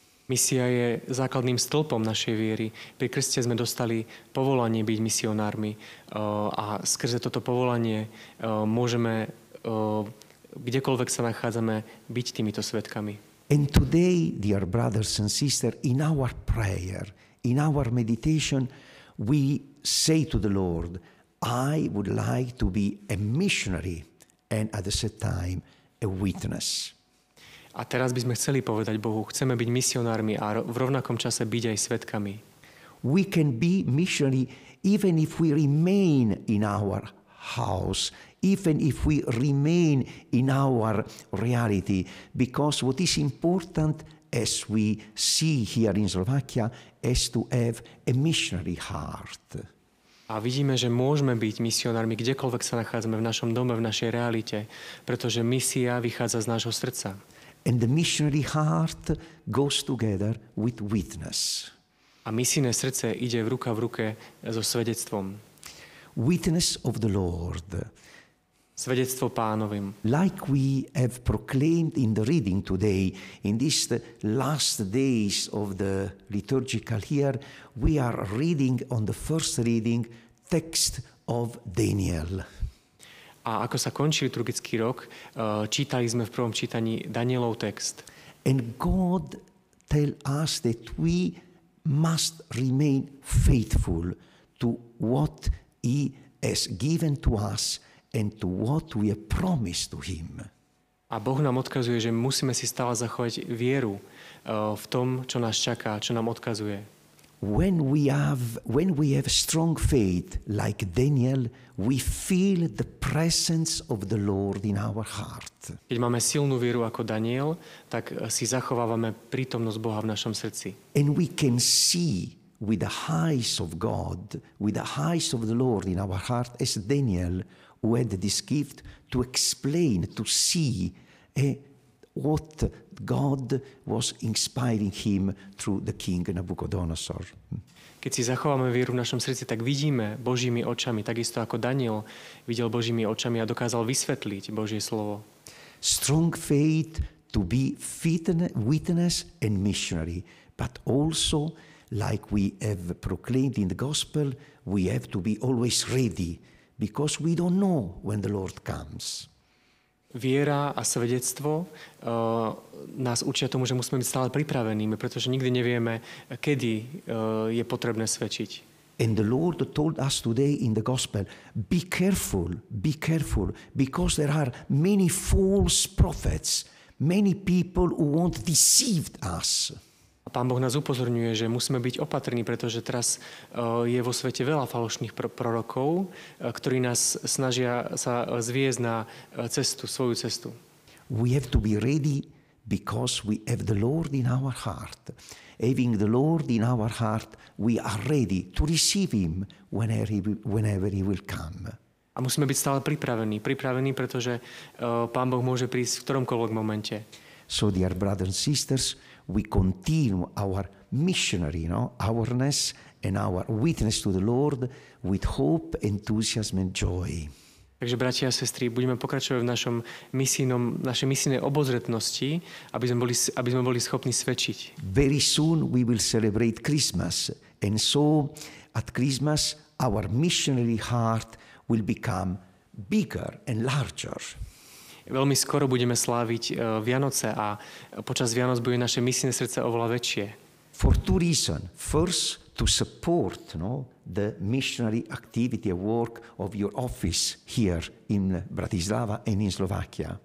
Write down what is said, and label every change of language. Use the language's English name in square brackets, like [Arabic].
[Slovak] Misia je základným stĺpom našej viery. Pri krste sme dostali povolanie byť misionármi a skrze toto povolanie môžeme kdekoľvek sa nachádzame byť týmito svedkami. [English] And today, dear brothers and sisters, in our prayer, in our meditation, we say to the Lord, I would like to be a missionary and at the same time a witness. [Slovak] A teraz by sme chceli povedať Bohu, chceme byť misionármi a v rovnakom čase byť aj svedkami. [English] We can be missionary even if we remain in our house, even if we remain in our reality, because what is important as we see here in Slovakia is to have a missionary heart. [Slovak] A vidíme, že môžeme byť misionármi kdekoľvek sa nachádzame v našom dome, v našej realite, pretože misia vychádza z nášho srdca. [English] And the missionary heart goes together with witness. [Slovak] A misijné srdce ide ruka v ruke so svedectvom. [English] Witness of the Lord. [Slovak] Svedectvo Pánovim. [English] Like we have proclaimed in the reading today, in these last days of the liturgical year, we are reading on the first reading text of Daniel. [Slovak] A ako sa končí liturgický rok, čítali sme v prvom čítaní Danielov text. [English] And God tell us that we must remain faithful to what he has given to us and to what we have promised to him. [Slovak] A Boh nám odkazuje, že musíme si stále zachovať vieru v tom, čo nás čaká, čo nám odkazuje. [English] When we have strong faith like Daniel, we feel the presence of the Lord in our heart. [Slovak] Keď máme silnú vieru ako Daniel, tak si zachovávame prítomnosť Boha v našom srdci. [English] And we can see with the eyes of God, with the eyes of the Lord in our heart, as Daniel, who had this gift to explain, to see what God was inspiring him through the king Nabucodonosor. [Slovak] Keď si zachováme vieru v našom srdci, tak vidíme Božími očami, takisto ako Daniel videl Božími očami a dokázal vysvetliť Božie slovo. [English] Strong faith to be witness and missionary, but also, like we have proclaimed in the gospel, we have to be always ready, because we don't know when the Lord comes. [Slovak] Viera a svedectvo nás učia tomu, že musíme byť stále pripravenými, pretože nikdy nevieme, kedy je potrebné svedčiť. [English] And the Lord told us today in the gospel, be careful, because there are many false prophets, many people who want to deceive us. [Slovak] A Pán Boh nás upozorňuje, že musíme byť opatrní, pretože teraz je vo svete veľa falošných prorokov, ktorí nás snažia sa zviesť na cestu, svoju cestu. [English] We have to be ready because we have the Lord in our heart. having the Lord in our heart, we are ready to receive him whenever he will come. [Slovak] A musíme byť stále pripravení, pretože Pán Boh môže prísť v ktoromkoľvek momente. [English] So dear brothers and sisters, we continue our missionary, ourness and our witness to the Lord with hope, enthusiasm and joy. [Slovak] Takže bratia a sestry, budeme pokračovať v našom misijnom, našej misijnej obozretnosti, aby sme boli schopní svedčiť. [English] Very soon we will celebrate Christmas and so at Christmas our missionary heart will become bigger and larger. Veľmi skoro budeme sláviť Vianoce a počas Vianoc bude naše misijné srdce oveľa väčšie. For two reasons. First, to support the missionary activity and work of your office here in Bratislava and in Slovakia.